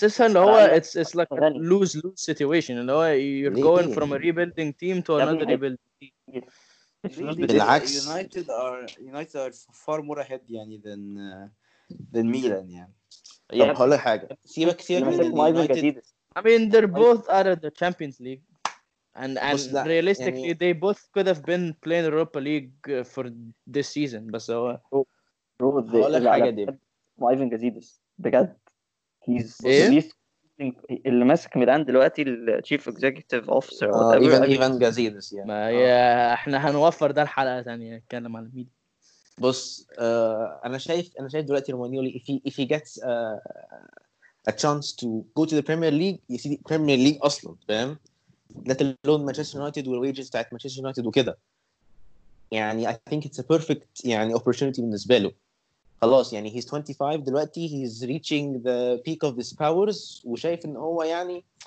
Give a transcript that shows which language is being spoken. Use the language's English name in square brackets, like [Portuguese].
[Arabic] حاسسها إن هو [English] it's like lose situation. [Arabic] إن هو [English] you're going from a rebuilding team to another rebuilding team. [Arabic] بالعكس. [English] United are far more ahead [Arabic] يعني than Milan يعني. طب هقول لك حاجة سيبك كتير [English] I mean they're both out of the Champions League and realistically يعني... they both could have been playing Europa League for this season [Arabic] بس هو هقول لك حاجة دي إيفان جازيدس بجد [English] he's [Arabic] اللي ماسك ميلان دلوقتي [English] Chief Executive Officer [Arabic] إيفان جازيدس احنا هنوفر ده الحلقة ثانية نتكلم على الميديا بص انا شايف دلوقتي [English] رومانيولي if he gets a chance to go to the Premier League you see the Premier League [Arabic] اصلا فاهم [English] let alone Manchester United [Arabic] والwages بتاعت [English] Manchester United [Arabic] وكده يعني [English] I think it's a perfect يعني opportunity [Arabic] بالنسبه له خلاص يعني [English] he's 25 [Arabic] دلوقتي [English] he's reaching the peak of his powers [Arabic] وشايف ان هو يعني